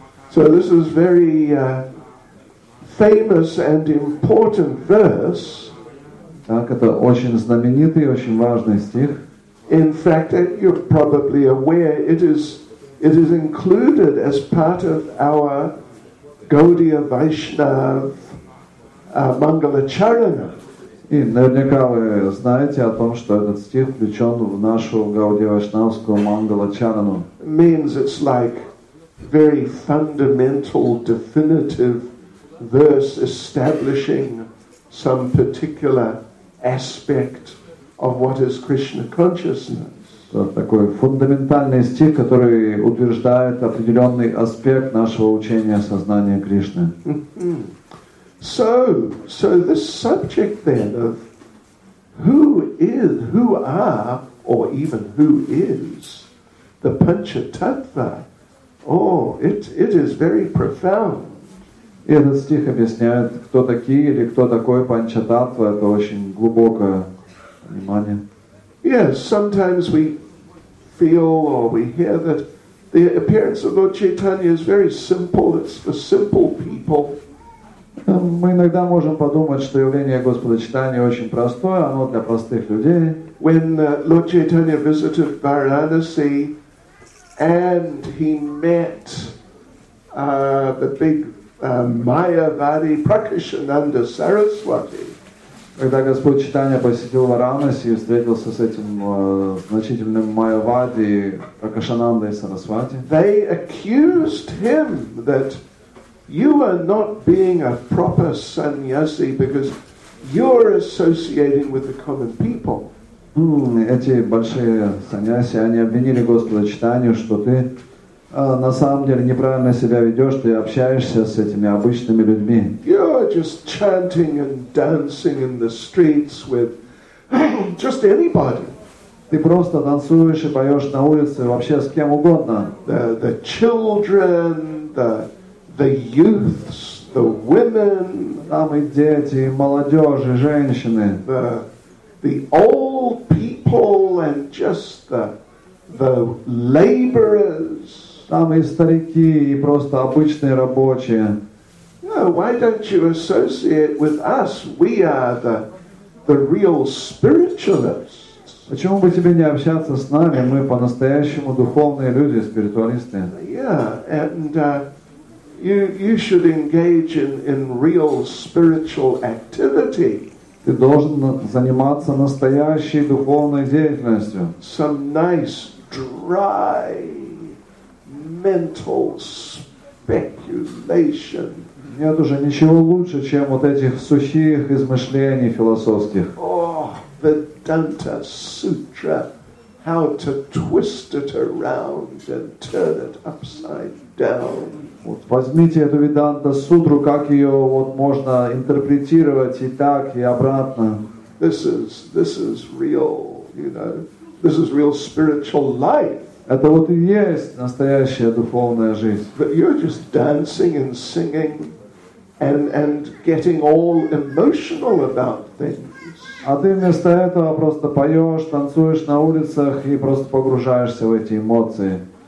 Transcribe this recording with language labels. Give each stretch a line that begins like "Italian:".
English: So this is very famous and important verse.
Russian: Так, это очень знаменитый и очень важный стих.
English: In fact, you're probably aware, it is included as part of our Gaudiya Vaishnav Mangalacharana.
Russian: И наверняка вы знаете о том, что этот стих включен в нашу Гаудия Вайшнавскую Мангалачарану.
English: Means it's like very fundamental, definitive verse establishing some particular aspect of what is Krishna consciousness.
Russian: Такой фундаментальный стих, который утверждает определенный аспект нашего учения сознания Кришны.
English: So this subject then of who is the Panchatattva, it is very profound.
Russian: И этот стих объясняет, кто такие или кто такой Панчататва. Это очень глубокое понимание.
English: Yes, sometimes we feel or we hear that the appearance of Lord Chaitanya is very simple, it's for simple people.
Russian: Мы иногда можем подумать, что явление Господа Чайтаньи очень простое, оно для простых людей.
English: When Lord Chaitanya visited Varanasi and he met the big Mayavadi Prakashananda Saraswati.
Russian: Когда Господь Читания посетил Варанаси и встретился с этим значительным Майавади, Акашанандой и Сарасвати,
English: they accused him that you are not being a proper sannyasi because you're associating with the common people.
Russian: Эти большие саньяси, они обвинили Господа Читанию, что ты на самом деле неправильно себя ведешь, ты общаешься с этими обычными людьми.
English: You're just chanting and dancing in the streets with just anybody.
Russian: Ты просто танцуешь и поешь на улице вообще с кем угодно.
English: The children, the youths, the women.
Russian: Там и дети, и молодежь, и женщины.
English: The old people and just the laborers.
Russian: Там и старики, и просто обычные рабочие.
English: No, why don't you associate with us? We are the real spiritualists.
Russian: Почему бы тебе не общаться с нами? Мы по-настоящему духовные люди, спиритуалисты.
English: Yeah, and you should engage in real spiritual activity.
Russian: Ты должен заниматься настоящей духовной деятельностью.
English: Some nice, dry, mental speculation.
Russian: Нет уже ничего лучше, чем вот этих сухих измышлений философских.
English: Oh, Vedanta Sutra, how to twist it around and turn it upside down.
Russian: Вот возьмите эту Веданта Сутру, как ее вот можно интерпретировать и так, и обратно.
English: This is real, you know, this is real spiritual life.
Russian: Это вот и есть настоящая духовная жизнь.
English: But you're just dancing and singing and getting all emotional about things.
Russian: А ты вместо этого просто поешь, танцуешь на улицах и просто погружаешься в эти эмоции.